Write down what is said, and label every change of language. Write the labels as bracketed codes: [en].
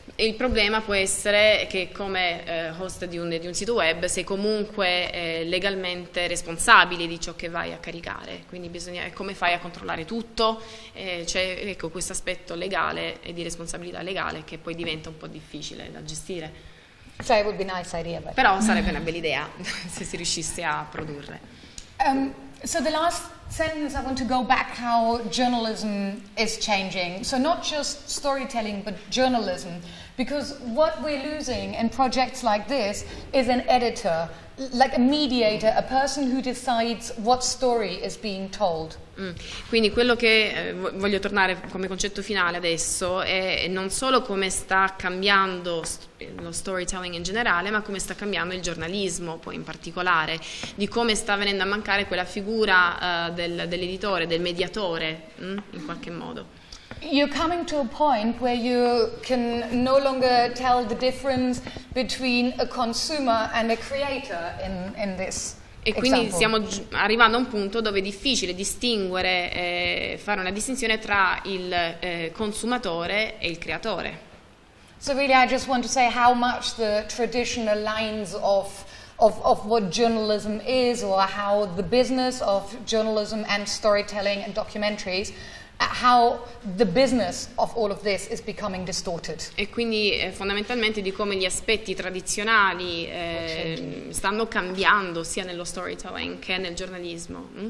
[it] Il problema può essere che come host di un sito web sei comunque legalmente responsabile di ciò che vai a caricare, quindi bisogna, come fai a controllare tutto? C'è, ecco, questo aspetto legale e di responsabilità legale che poi diventa un po' difficile da gestire. [en] So it would be a nice idea, but... [it] Però sarebbe una bella idea se si riuscisse a produrre. [en] So the last sentence, I want to go back how journalism is changing. So not just storytelling, but journalism. Because what we're losing in projects like this is an editor, like a mediator, a person who decides what story is being told. [it] Quindi quello che voglio tornare come concetto finale adesso è non solo come sta cambiando lo storytelling in generale, ma come sta cambiando il giornalismo poi in particolare, di come sta venendo a mancare quella figura dell'editore, del mediatore, in qualche modo. [en] You're coming to a point where you can no longer tell the difference between a consumer and a creator in this. [it] E quindi stiamo arrivando a un punto dove è difficile distinguere, fare una distinzione tra il consumatore e il creatore. [en] So really I just want to say how much the traditional lines of what journalism is, or how the business of journalism and storytelling and documentaries, how the business of all of this is becoming distorted. [it] E quindi fondamentalmente di come gli aspetti tradizionali stanno cambiando sia nello storytelling che nel giornalismo.